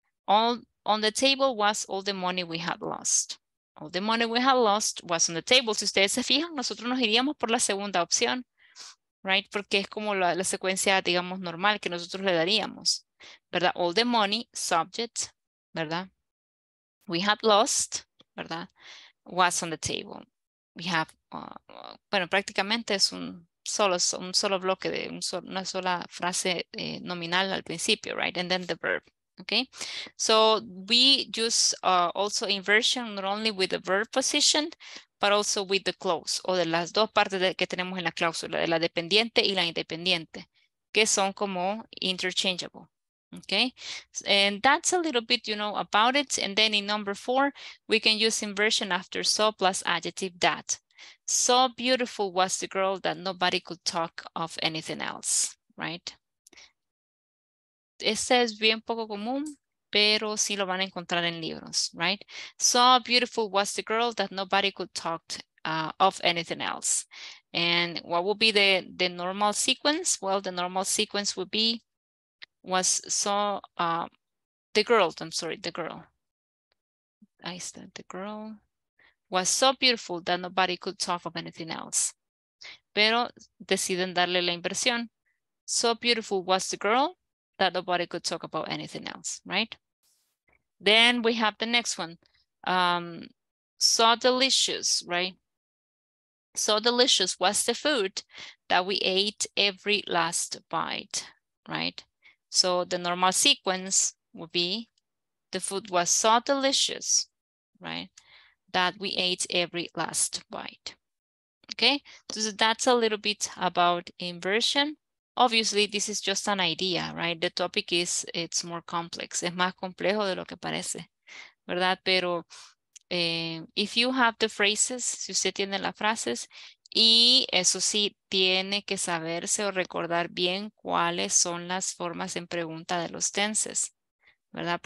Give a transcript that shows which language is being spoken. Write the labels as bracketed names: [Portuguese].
[English] All on the table was all the money we had lost. All the money we had lost was on the table. [Spanish] Si ustedes se fijan, nosotros nos iríamos por la segunda opción. Right? Porque es como la secuencia, digamos, normal que nosotros le daríamos. [English] ¿Verdad? All the money, subject, ¿verdad? We had lost, ¿verdad? [Spanish] Was on the table. We have, bueno, prácticamente es un solo bloque de una sola frase nominal al principio, right? [English] And then the verb, okay? So we use also inversion not only with the verb position, but also with the clause, o de las dos partes que tenemos en la cláusula, de la dependiente y la independiente, que son como interchangeable. Okay, and that's a little bit, you know, about it. And then in number four, we can use inversion after so plus adjective that. So beautiful was the girl that nobody could talk of anything else, right? [Spanish] Este es bien poco común, pero sí lo van a encontrar en libros, right? [English] So beautiful was the girl that nobody could talk of anything else. And what would be the normal sequence? Well, the normal sequence would be was so beautiful that nobody could talk of anything else. Pero deciden darle la inversión. So beautiful was the girl that nobody could talk about anything else, right? Then we have the next one. So delicious, right? So delicious was the food that we ate every last bite, right? So the normal sequence would be, the food was so delicious, right, that we ate every last bite. Okay, so that's a little bit about inversion. Obviously, this is just an idea, right? The topic is, it's more complex. [Spanish] Es más complejo de lo que parece, ¿verdad? Pero if you have the phrases, si usted tiene las frases, y eso sí, tiene que saberse o recordar bien cuáles son las formas en pregunta de los tenses, ¿verdad?